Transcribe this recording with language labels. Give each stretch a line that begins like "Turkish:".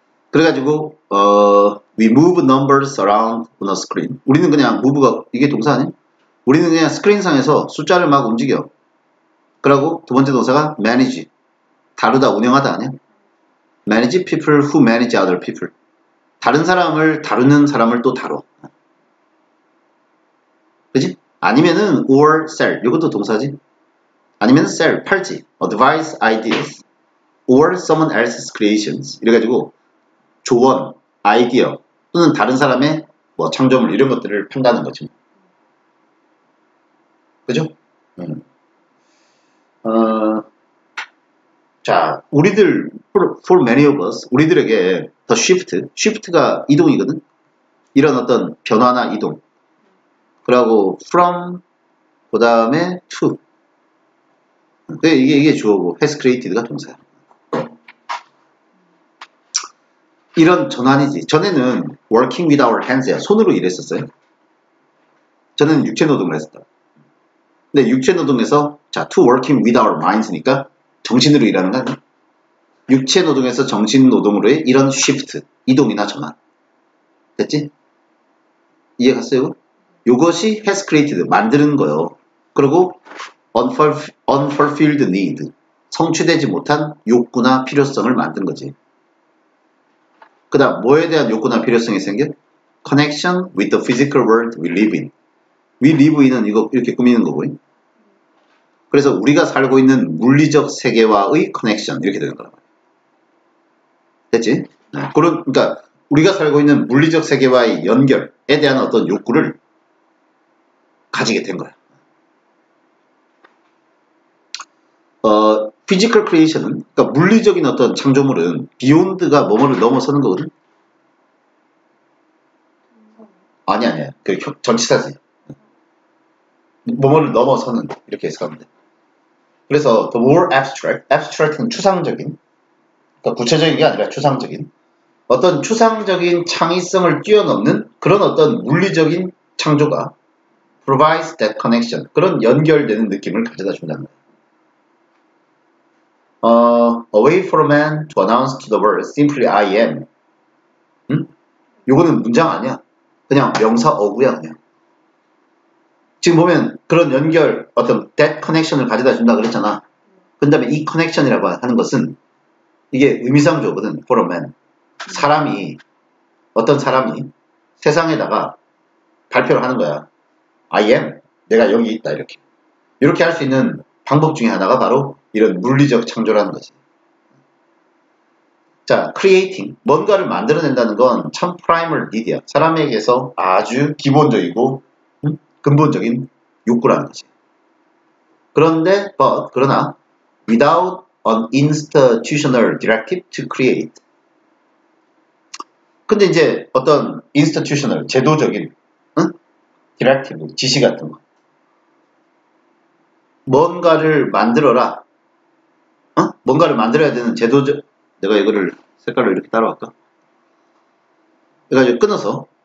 Korean: 그래가지고,
English: we move numbers around on a screen.
Korean: 우리는 그냥 move가, 이게 동사 아니야? 우리는 그냥 스크린상에서 숫자를 막 움직여. 그러고 두 번째 동사가 manage. 다루다, 운영하다 아니야?
English: manage people who manage other people.
Korean: 다른 사람을 다루는 사람을 또 다뤄. 그지?
English: 아니면은 or sell.
Korean: 이것도 동사지? 아니면 sell, 팔지.
English: advise ideas or someone else's creations.
Korean: 이래가지고 조언, 아이디어 또는 다른 사람의 뭐 창조물 이런 것들을 판다는 거지. 그죠? 자, 우리들
English: for many of us,
Korean: 우리들에게 the shift가 이동이거든. 이런 어떤 변화나 이동. 그리고 from, 그다음에 to. 이게 주어고
English: has created
Korean: 가 동사야. 이런 전환이지.
English: 전에는 working with our hands야.
Korean: 손으로 일했었어요. 저는 육체 노동을 했었다. 근데 육체 노동에서 자,
English: to working with our minds
Korean: 니까 정신으로 일하는 거 아니야? 육체 노동에서 정신 노동으로의 이런 쉬프트, 이동이나 전환. 됐지? 이해 갔어요? 이것이
English: has created,
Korean: 만드는 거요. 그리고
English: unfulfilled need,
Korean: 성취되지 못한 욕구나 필요성을 만든 거지. 그 다음, 뭐에 대한 욕구나 필요성이 생겨?
English: connection with the physical world we live in. we live in
Korean: 은 이거 이렇게 꾸미는 거고. 그래서 우리가 살고 있는 물리적 세계와의 connection, 이렇게 되는 거란 말이야. 됐지? 그러니까 우리가 살고 있는 물리적 세계와의 연결에 대한 어떤 욕구를 가지게 된 거야.
English: physical creation
Korean: 은, 그러니까 물리적인 어떤 창조물은 beyond가 뭐뭐를 넘어서는 거거든? 아니 아니야. 그 전치사지. 뭐뭐를 넘어서는 이렇게 해석하면 돼. 그래서
English: the more abstract,
Korean: abstract는 추상적인, 그러니까 구체적인 게 아니라 추상적인, 어떤 추상적인 창의성을 뛰어넘는 그런 어떤 물리적인 창조가
English: provides that connection,
Korean: 그런 연결되는 느낌을 가져다 준다는 거야.
English: A way for a man to announce to the world simply I am.
Korean: 응? 요거는 문장 아니야. 그냥 명사 어구야 그냥. 지금 보면 그런 연결, 어떤
English: that connection
Korean: 을 가져다 준다 그랬잖아. 그 다음에 이 connection이라고 하는 것은 이게 의미상조거든.
English: For a man.
Korean: 사람이, 어떤 사람이 세상에다가 발표를 하는 거야.
English: I am.
Korean: 내가 여기 있다. 이렇게. 이렇게 할 수 있는 방법 중에 하나가 바로 이런 물리적 창조라는 거지.
English: 자, creating.
Korean: 뭔가를 만들어낸다는 건 참
English: primal need
Korean: 이야. 사람에게서 아주 기본적이고 근본적인 욕구라는 거지.
English: 그런데, but, 그러나, without an institutional directive to create.
Korean: 근데 이제 어떤 institutional, 제도적인, 응? directive, 지시 같은 거. 뭔가를 만들어라. 어? 뭔가를 만들어야 되는 제도적, 내가 이거를 색깔을 이렇게 따라왔다. 내가 이제 끊어서.